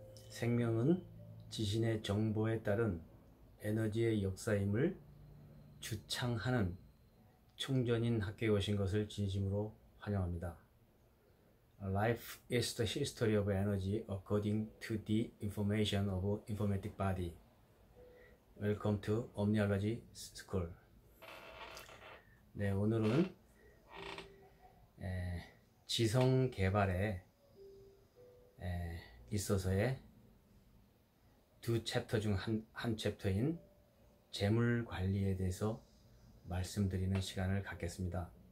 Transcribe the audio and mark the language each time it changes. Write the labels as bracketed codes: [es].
[ko] 생명은 지신의 정보에 따른 에너지의 역사임을 주창하는 총전인 학교에 오신 것을 진심으로 환영합니다. [en] Life is the history of energy according to the information of informatic body. Welcome to Omniology School. [ko] 네, 오늘은 지성 개발에 있어서의 두 챕터 중 한 챕터인 재물 관리에 대해서 말씀드리는 시간을 갖겠습니다.